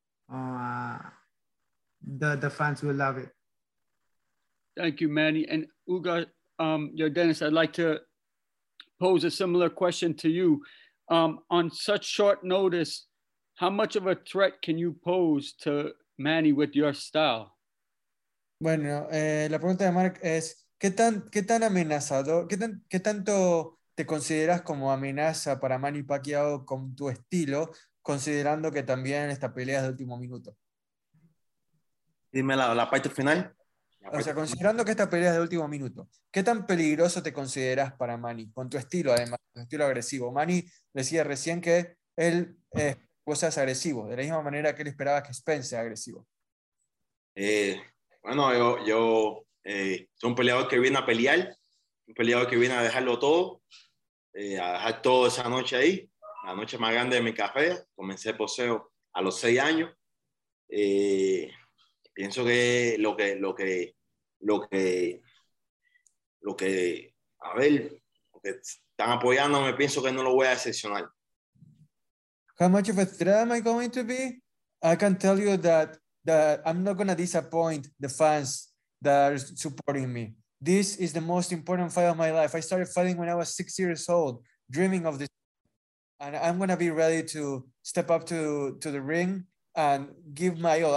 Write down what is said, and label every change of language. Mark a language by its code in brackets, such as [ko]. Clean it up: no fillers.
[en] the fans will love it. Thank you, Manny. And Uga, Yordenis, I'd like to pose a similar question to you. On such short notice, how much of a threat can you pose to Manny with your style? [es] Bueno, la pregunta de Mark es, ¿qué tan amenazado, qué tanto te consideras como amenaza para Manny Pacquiao con tu estilo, considerando que también esta pelea es de último minuto? Dime la parte final. O sea, considerando que esta pelea es de último minuto, ¿qué tan peligroso te consideras para Manny, con tu estilo además, tu estilo agresivo? Manny decía recién que él vos seas agresivo, de la misma manera que él esperaba que Spence sea agresivo. Bueno, yo soy un peleador que viene a pelear, un peleador que viene a dejarlo todo, a dejar todo esa noche ahí, la noche más grande de mi carrera. Comencé boxeo a los 6 años. Pienso que lo que están apoyándome, pienso que no lo voy a decepcionar. [en] How much of a threat am I going to be? I can tell you that I'm not going to disappoint the fans that are supporting me. This is the most important fight of my life. I started fighting when I was 6 years old, dreaming of this. And I'm going to be ready to step up to the ring and give my all.